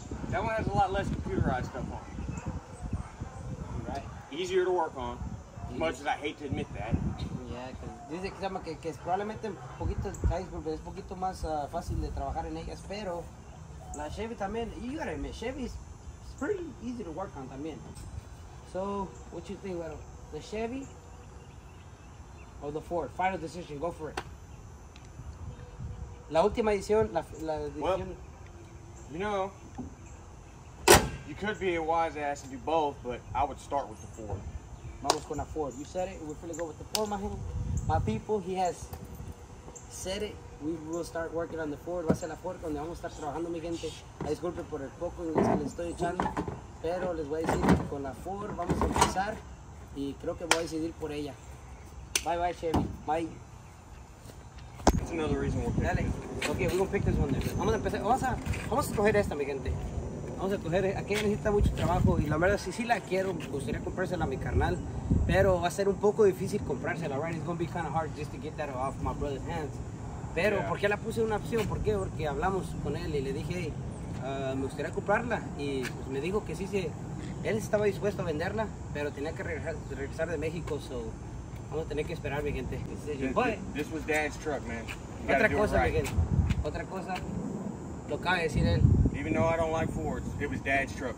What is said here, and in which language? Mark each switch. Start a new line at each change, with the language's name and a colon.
English: That one has a lot less computerized stuff on it. Easier to work on, as much as I hate to admit that.
Spanish: Yeah, because dice que es probablemente un poquito, disculpe, es un poquito más fácil de trabajar en ellas, pero la Chevy también,
English: you gotta admit, Chevy's it's pretty easy to work on
Spanish: también.
English: So, what you think, bueno, the Chevy or the Ford? Final decision, go for it.
Spanish: La última edición, la edición.
English: Well, you know, you could be a wise ass and do both, but I would start with the Ford.
Spanish: Vamos con la Ford.
English: You said it. We're going to go with the Ford, my hand. My people, he has said it. We will start working on the Ford.
Spanish: Va a ser la Ford donde vamos a estar trabajando, mi gente. Disculpe por el poco inglés que le estoy echando. Pero les voy a decir que con la Ford vamos a empezar. Y creo que voy a decidir por ella.
English: Bye, bye, Chevy. Bye. That's another reason we're picking.
Spanish: Dale.
English: Okay, we're going to pick this one.
Spanish: Vamos a empezar. Vamos a coger esta, mi gente. Vamos a coger, aquella necesita mucho trabajo y la verdad sí la quiero, me gustaría comprársela a mi carnal, pero va a ser un poco difícil comprársela,
English: right? It's gonna be kind of hard just to get that off my brother's hands.
Spanish: Pero, yeah. ¿Por qué la puse una opción? ¿Por qué? Porque hablamos con él y le dije, me gustaría comprarla y pues, me dijo que sí, sí, él estaba dispuesto a venderla, pero tenía que regresar de México, so vamos a tener que esperar, mi gente.
English: This was Dad's truck, man.
Spanish: Otra cosa,
English: right.
Spanish: Mi gente, otra cosa, lo acaba de decir él.
English: Even though I don't like Fords, it was Dad's truck.